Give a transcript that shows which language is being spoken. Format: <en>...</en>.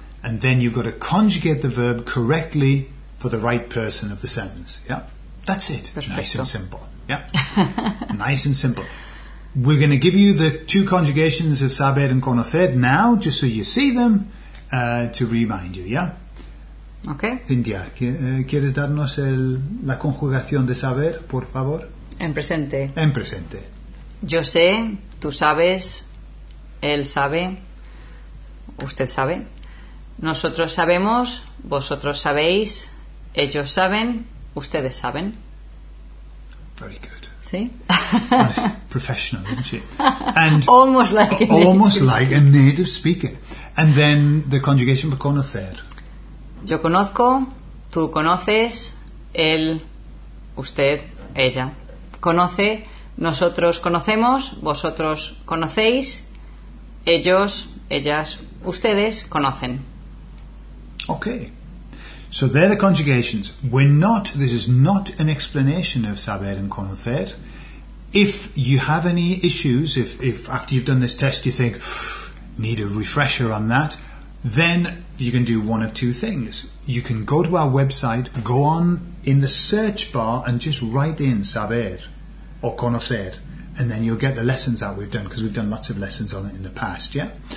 <en>And then you've got to conjugate the verb correctly for the right person of the sentence. Yeah, that's it.</en> <es>Perfecto.</es> <en>Nice and simple. Yeah, nice and simple. We're going to give you the two conjugations of saber and conocer now, just so you see them, to remind you, yeah? Okay.</en> <es>Cintia, ¿quieres darnos la conjugación de saber, por favor? En presente. En presente. Yo sé, tú sabes, él sabe, usted sabe. Nosotros sabemos, vosotros sabéis, ellos saben, ustedes saben.</es> <en>Very good.</en> <es>¿Sí?</es> <en>Professional, isn't she? And almost like a almost like a native speaker. And then the conjugation for conocer.</en> <es>Yo conozco, tú conoces, él, usted, ella. Conoce, nosotros conocemos, vosotros conocéis, ellos, ellas, ustedes conocen.</es> <en>Okay. So there are conjugations. We're not, this is not an explanation of saber and conocer. If you have any issues, if after you've done this test you think, need a refresher on that, then you can do one of two things. You can go to our website, go on in the search bar and just write in saber or conocer, and then you'll get the lessons that we've done, because we've done lots of lessons on it in the past, yeah?</en>